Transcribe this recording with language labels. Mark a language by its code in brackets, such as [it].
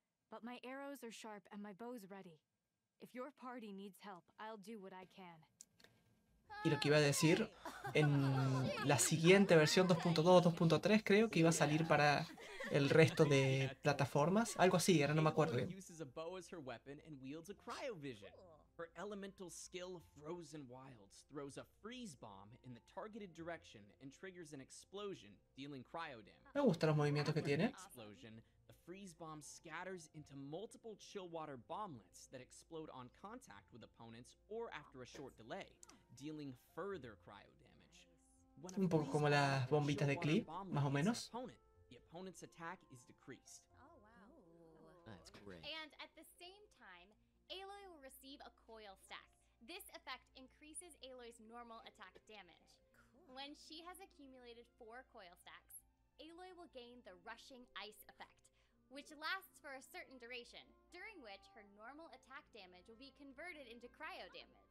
[en] But my arrows are sharp and my bow's ready. If your party needs help, I'll do what I can. [es] Y lo que iba a decir, en la siguiente versión 2.2, 2.3, creo que iba a salir para el resto de plataformas. Algo así, ahora no me acuerdo bien. Usa un bow como weapon y [en] wields a cryovision. Her elemental skill Frozen Wilds throws a freeze bomb in the targeted direction and triggers an explosion, dealing cryo damage. [es] Me gustan los movimientos que tiene. [en] The freeze bomb scatters into multiple chill water bomblets that explode on contact with opponents or after a short delay, dealing further cryo damage. [es] Un poco como las bombitas de Klee, más o menos. [en] The opponent's attack is decreased. Oh wow. That's great. And at the same time, Aloy will receive a coil stack. This effect increases Aloy's normal attack damage. Cool. When she has accumulated 4 coil stacks, Aloy will gain the rushing ice effect, which lasts for a certain duration, during which her normal attack damage will be converted into cryo damage.